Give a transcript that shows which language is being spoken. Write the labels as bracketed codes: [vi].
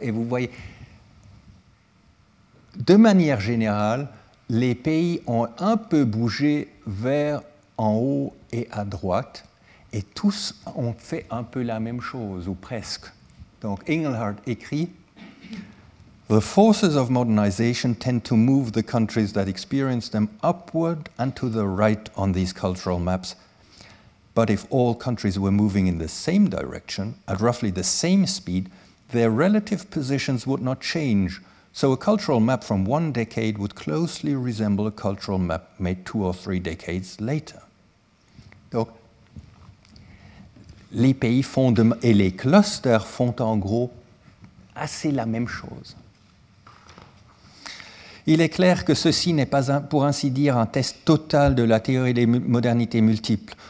[fr] Et vous voyez, de manière générale, les pays ont un peu bougé vers en haut et à droite. Et tous ont fait un peu la même chose, ou presque. Donc, Engelhardt écrit: [en] The forces of modernization tend to move the countries that experience them upward and to the right on these cultural maps. But if all countries were moving in the same direction, at roughly the same speed, their relative positions would not change. So a cultural map from one decade would closely resemble a cultural map made two or three decades later. [fr] Donc, les pays et les clusters font en gros assez la même chose. Il est clair que ceci n'est pas, pour ainsi dire, un test total de la théorie des modernités multiples.